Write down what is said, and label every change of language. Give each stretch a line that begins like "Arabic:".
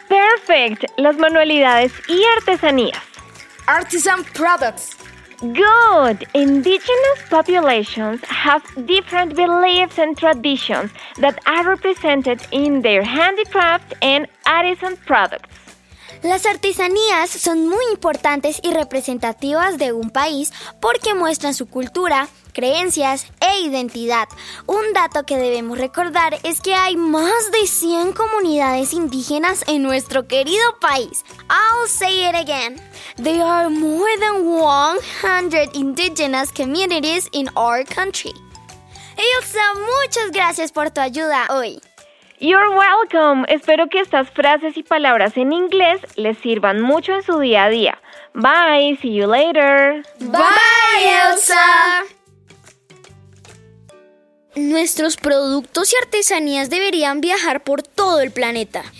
Spanish: Perfect. Las manualidades y artesanías.
English: Artisan products. Good. Indigenous populations have different beliefs and traditions that are represented in their handicraft and artisan products.
Spanish: Las artesanías son muy importantes y representativas de un país porque muestran su cultura, creencias e identidad. Un dato que debemos recordar es que hay más de 100 comunidades indígenas en nuestro querido país.
English: I'll say it again. There are more than 100 indigenous communities in our country.
Spanish: Elsa, muchas gracias por tu ayuda hoy.
English: You're welcome.
Spanish: Espero que estas frases y palabras en inglés les sirvan mucho en su día a día.
English: Bye, see you later. Bye, Elsa.
Spanish: Nuestros productos y artesanías deberían viajar por todo el planeta.